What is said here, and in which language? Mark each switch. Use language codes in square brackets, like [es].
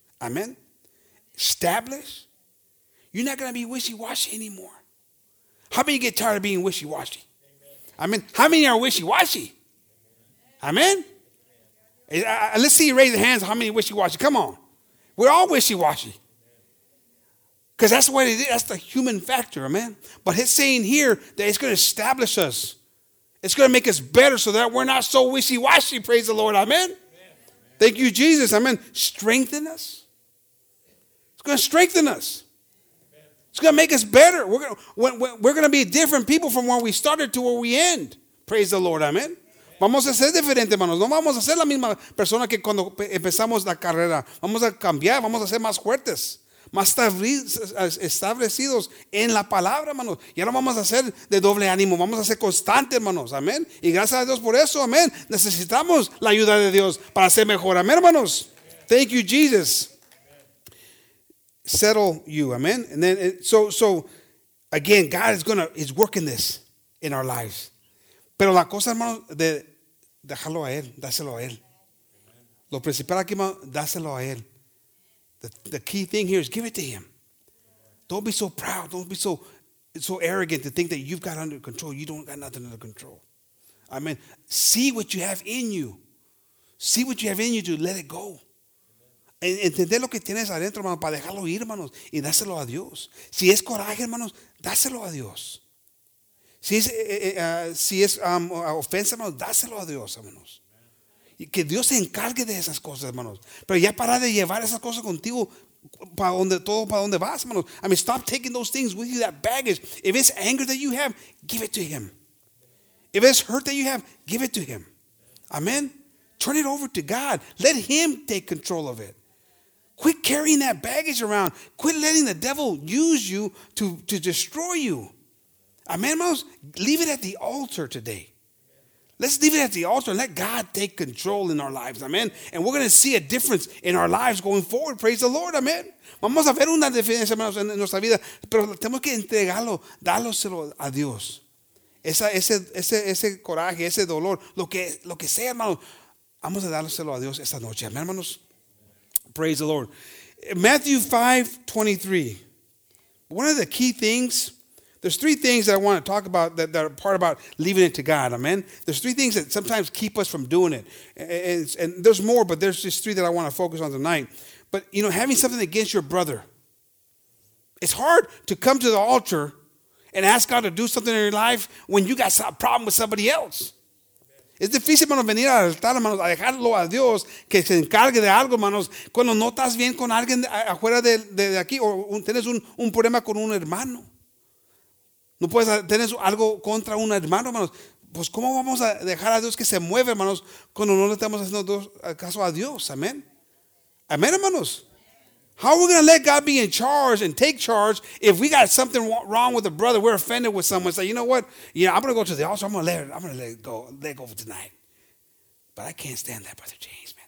[en] Amen. Establish. You're not going to be wishy-washy anymore. How many get tired of being wishy-washy? Amen. I mean, how many are wishy-washy? Amen? Let's see you raise your hands. How many wishy-washy? Come on. We're all wishy-washy. Because that's what it is. That's the human factor, amen? But it's saying here that it's going to establish us. It's going to make us better so that we're not so wishy-washy, praise the Lord. Amen? Amen. Thank you, Jesus. Amen. Strengthen us. It's going to strengthen us. It's going to make us better. We're going to be different people from where we started to where we end. Praise the Lord. Amen. [es] Vamos a ser diferentes, hermanos. No vamos a ser la misma persona que cuando empezamos la carrera. Vamos a cambiar. Vamos a ser más fuertes. Más establecidos en la palabra, hermanos. Ya no vamos a ser de doble ánimo. Vamos a ser constantes, hermanos. Amén. Y gracias a Dios por eso. Amén. Necesitamos la ayuda de Dios para ser mejor. Amén, hermanos. [en] Thank you, Jesus. Settle you, amen. And then, so again, God is is working this in our lives. [es] Pero la cosa, hermano, de dejarlo a él, dáselo a él. Lo principal aquí, hermano, dáselo a él. [en] The key thing here is give it to him. Don't be so proud. Don't be so arrogant to think that you've got under control. You don't got nothing under control. I mean, see what you have in you. See what you have in you to let it go. [es] Entender lo que tienes adentro, hermano, para dejarlo ir, hermanos, y dáselo a Dios. Si es coraje, hermanos, dáselo a Dios. Si es ofensa, hermanos, dáselo a Dios, hermanos. Y que Dios se encargue de esas cosas, hermanos. Pero ya para de llevar esas cosas contigo para donde todo, para donde vas, hermanos. [en] I mean, stop taking those things with you, that baggage. If it's anger that you have, give it to him. If it's hurt that you have, give it to him. Amen. Turn it over to God. Let him take control of it. Quit carrying that baggage around. Quit letting the devil use you to destroy you. Amen, hermanos? Leave it at the altar today. Let's leave it at the altar and let God take control in our lives. Amen. And we're going to see a difference in our lives going forward. Praise the Lord. Amen. [es] Vamos a ver una diferencia, hermanos, en nuestra vida. Pero tenemos que entregarlo, dárselo a Dios. Ese coraje, ese dolor, lo que sea, hermanos. Vamos a dárselo a Dios esta noche. Amen, hermanos. [en] Praise the Lord. Matthew 5:23. One of the key things, there's three things that I want to talk about that are part about leaving it to God. Amen. There's three things that sometimes keep us from doing it. And there's more, but there's just three that I want to focus on tonight. But, you know, having something against your brother. It's hard to come to the altar and ask God to do something in your life when you got a problem with somebody else. [es] Es difícil, hermanos, venir al altar, hermanos, a dejarlo a Dios que se encargue de algo, hermanos, cuando no estás bien con alguien afuera de aquí o tienes un problema con un hermano. No puedes tener algo contra un hermano, hermanos. Pues, ¿cómo vamos a dejar a Dios que se mueva, hermanos, cuando no le estamos haciendo caso a Dios? Amén. Amén, hermanos. [en] How are we going to let God be in charge and take charge if we got something wrong with a brother? We're offended with someone. Say, you know what? Yeah, I'm going to go to the altar. I'm going to let it go for tonight. But I can't stand that Brother James, man.